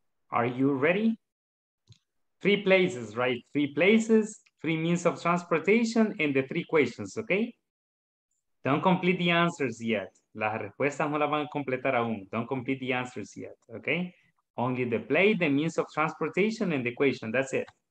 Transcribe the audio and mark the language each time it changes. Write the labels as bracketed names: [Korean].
[English] Are you ready? Three places, right? Three places, three means of transportation, and the three questions, okay? Don't complete the answers yet. [Spanish] Las respuestas no las van a completar aún. [English] Don't complete the answers yet, okay? Only the play, the means of transportation, and the question. That's it.